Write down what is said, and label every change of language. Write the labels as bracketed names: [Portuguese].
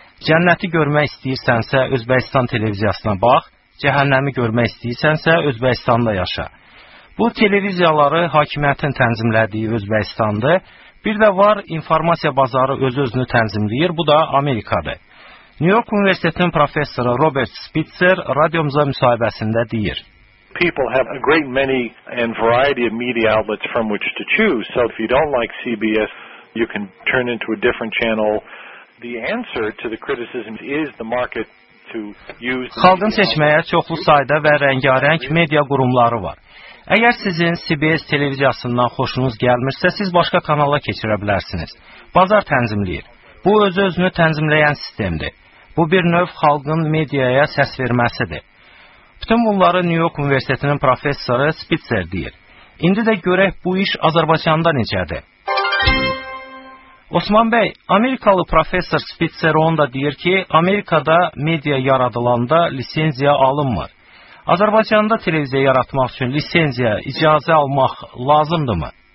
[Azerbaijani] Cənnəti görmək istəyirsənsə Özbəkistan televiziyasına bax, cəhənnəmi görmək istəyirsənsə Özbəkistanda yaşa. Bu televiziyaları hakimiyyətin tənzimlədiyi Özbəkistandır. Bir də var, informasiya bazarı öz-özünü tənzimləyir, bu da Amerikadır. New York Universitetinin professoru Robert Spitzer radiomuza müsahibəsində deyir. [English] People have a great many and variety of media outlets from which to choose. So if you don't like CBS, you can turn into a different channel. The answer to the criticism is the market to use. [Azerbaijani] Xalqın seçməyə çoxlu sayda və rəngarəng media qurumları var. Əgər sizin CBS televiziyasından xoşunuz gəlmirsə, siz başqa kanala keçirə bilərsiniz. Bazar tənzimləyir. Bu, öz-özünü tənzimləyən sistemdir. Bu, bir növ xalqın mediaya səs verməsidir. Bütün bunları New York Universitetinin professoru Spitzer deyir. İndi də görək bu iş Azərbaycanda necədir. Osman bəy, Amerikalı professor Spitzer onda deyir ki, Amerikada media yaradılanda lisenziya alınmır. Azərbaycanda televiziya yaratmaq üçün lisenziya, icazə almaq lazımdırmı?